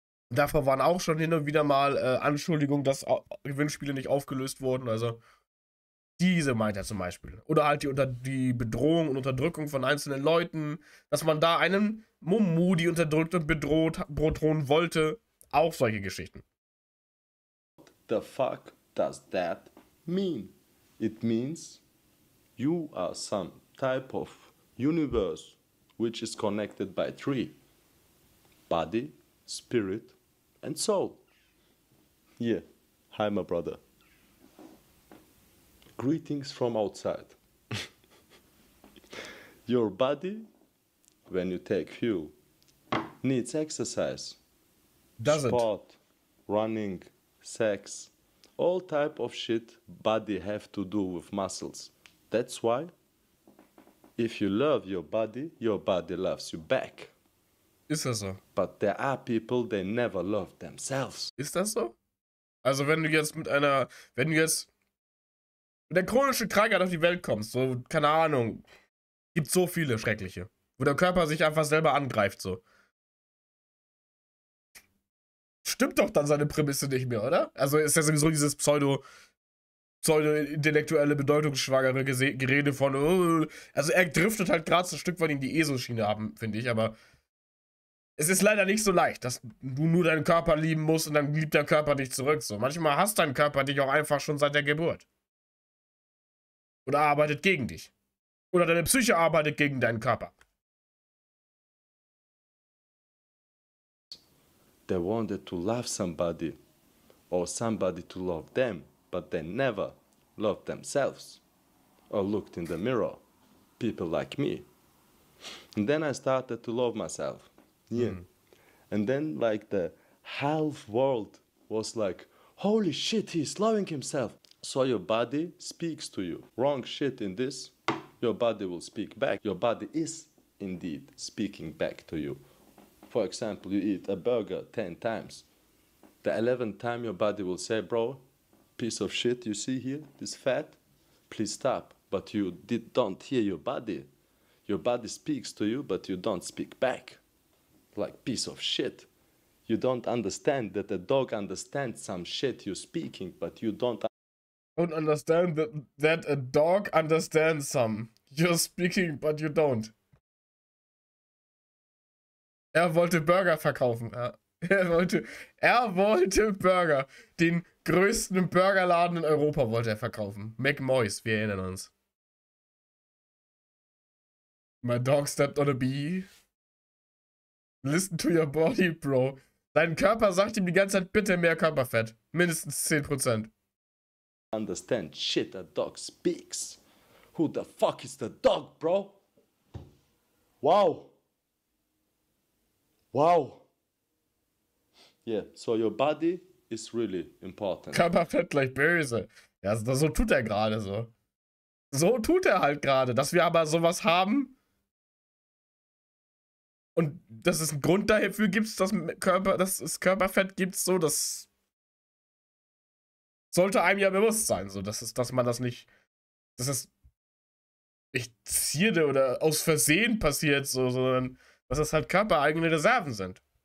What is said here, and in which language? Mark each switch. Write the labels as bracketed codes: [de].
[de] Davor waren auch schon hin und wieder mal Anschuldigungen, dass Gewinnspiele nicht aufgelöst wurden. Also diese meint er zum Beispiel. Oder halt die Bedrohung und Unterdrückung von einzelnen Leuten. Dass man da einen Mumu, die unterdrückt und bedroht, bedrohen wollte. Auch solche Geschichten. [en] What the fuck does that mean? It means you are some type of universe which is connected by three. Body, spirit and soul. Yeah. Hi, my brother. Greetings from outside. Your body, when you take fuel, needs exercise. Does it? Sport, running, sex, all type of shit body have to do with muscles. That's why, if you love your body loves you back. Is that so? But there are people, they never love themselves. Is that so? [de] Also wenn du jetzt mit der chronischen Krankheit auf die Welt kommst, so, keine Ahnung, gibt so viele schreckliche, wo der Körper sich einfach selber angreift, so. Stimmt doch dann seine Prämisse nicht mehr, oder? Also ist ja sowieso dieses pseudo-intellektuelle bedeutungsschwangere Gerede von, also er driftet halt gerade so ein Stück weit in die ESO-Schiene ab, finde ich, aber es ist leider nicht so leicht, dass du nur deinen Körper lieben musst und dann liebt der Körper dich zurück. So, manchmal hasst dein Körper dich auch einfach schon seit der Geburt. Oder arbeitet gegen dich. Oder deine Psyche arbeitet gegen deinen Körper. [en] They wanted to love somebody or somebody to love them, but they never loved themselves or looked in the mirror. People like me. And then I started to love myself. Yeah. Mm. And then like the half world was like, holy shit, he's loving himself. So your body speaks to you. Wrong shit in this, your body will speak back. Your body is indeed speaking back to you. For example, you eat a burger 10 times. The 11th time your body will say, bro, piece of shit you see here, this fat, please stop. But you don't hear your body. Your body speaks to you, but you don't speak back. Like piece of shit. You don't understand that a dog understands some shit you're speaking, but you don't. Don't understand that a dog understands some you're speaking, but you don't. [de] Er wollte Burger verkaufen. Er wollte Burger. Den größten Burgerladen in Europa wollte er verkaufen. McMoy's, wir erinnern uns. [en] My dog stepped on a bee. Listen to your body, bro. [de] Dein Körper sagt ihm die ganze Zeit, bitte mehr Körperfett. Mindestens 10%. [en] Understand shit a dog speaks. Who the fuck is the dog, bro? Wow. Wow. Yeah, so your body is really important. [de] Körperfett gleich böse. Ja, so tut er gerade so. So tut er halt gerade, dass wir aber sowas haben. Und dass es einen Grund dafür gibt, dass es Körperfett gibt, so, das sollte einem ja bewusst sein, so, dass man das nicht, dass es nicht Zierde oder aus Versehen passiert, so, sondern dass es halt körpereigene Reserven sind.